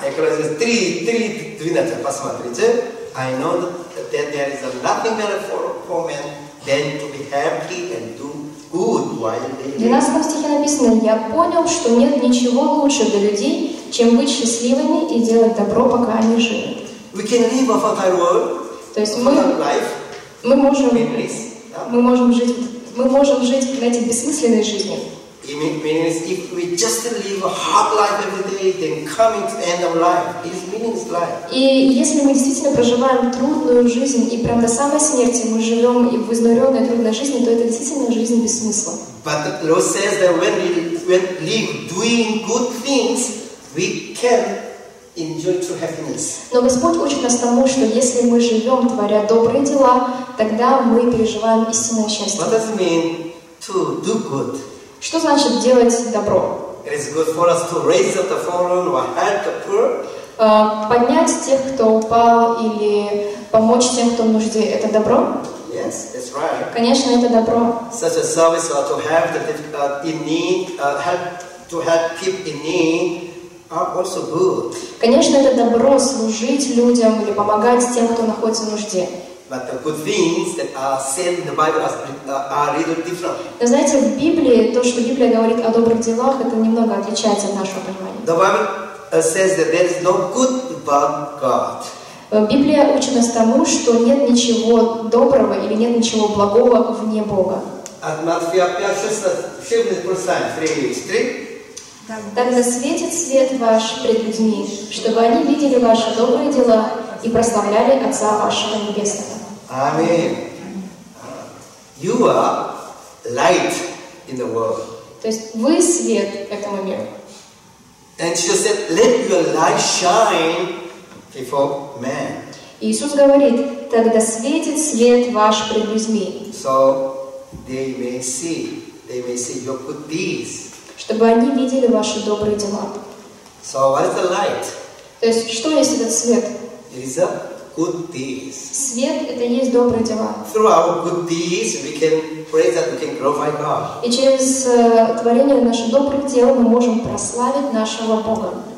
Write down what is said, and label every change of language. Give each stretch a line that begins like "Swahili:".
Russian: Экклезиаст 3:12, посмотрите.
English: I know that there is nothing better for men than to be happy and do good while they live.
Russian: В 12 стихе написано, я понял, что нет ничего лучше для людей, чем быть счастливыми и делать добро, пока они живут.
English: We can live a fatal world,
Russian: то есть мы можем
English: in peace.
Russian: Мы можем жить на эти бессмысленные жизни.
English: If we just live a hard life every day, then coming to end of life is meaningless life.
Russian: И если мы действительно проживаем трудную жизнь и прямо до самой смерти мы живем и в изнуренной трудной жизни, то это действительно жизнь без смысла.
English: But the Lord says that when we live doing good things, we can enjoy true happiness.
Russian: Но Господь учит нас тому, что если мы живем, творя добрые дела, тогда мы переживаем истинное счастье.
English: What does it mean to do good?
Russian: Что значит делать добро?
English: It is good for us to raise the fallen or help the poor.
Russian: Поднять тех, кто упал, или помочь тем, кто в нужде. Это добро?
English: Yes, that's right.
Russian: Конечно, это добро.
English: Such a service or to help the difficult in need, help people in need. Also good.
Russian: Конечно, это добро служить людям или помогать тем, кто находится в нужде.
English: But the good things that are said in the Bible are a little different.
Russian: Но знаете, в Библии то, что Библия говорит о добрых делах, это немного отличается от нашего понимания.
English: The Bible says that there is no good but God.
Russian: Библия учит нас тому, что нет ничего доброго или нет ничего благого вне Бога. От Матфея 5:16-3. Так засветит свет ваш пред людьми, чтобы они видели ваши добрые дела и прославляли Отца вашего Небесного.
English: Аминь. You are light in the world.
Russian: То есть вы свет этому миру.
English: And Jesus said, let your light shine before men.
Russian: Иисус говорит, тогда светит свет ваш пред людьми.
English: So they may see your good deeds.
Russian: Чтобы они видели ваши добрые дела.
English: So what is the light?
Russian: То есть, что есть этот свет?
English: It is a good deeds.
Russian: Свет — это и есть добрые дела.
English: Through our good deeds, we can praise that we can glorify God.
Russian: И через творение наших добрых дел мы можем прославить нашего Бога.